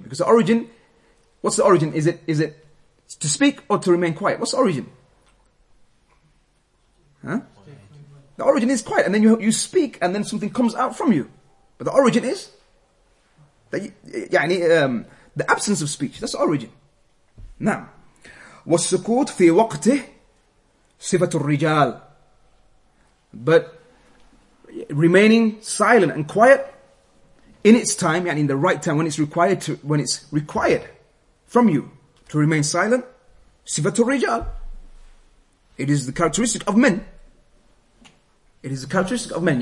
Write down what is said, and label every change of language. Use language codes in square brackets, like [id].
[en] Because the origin, what's the origin? Is it to speak or to remain quiet? What's the origin? Huh? The origin is quiet, and then you speak, and then something comes out from you. But the origin is that the absence of speech. That's the origin. Now, [ar] والسكوت في وقته صفة الرجال. [en] But remaining silent and quiet in its time, and in the right time when it's required from you to remain silent, [ar] صفة الرجال. [en] It is the characteristic of men. It is a characteristic of men.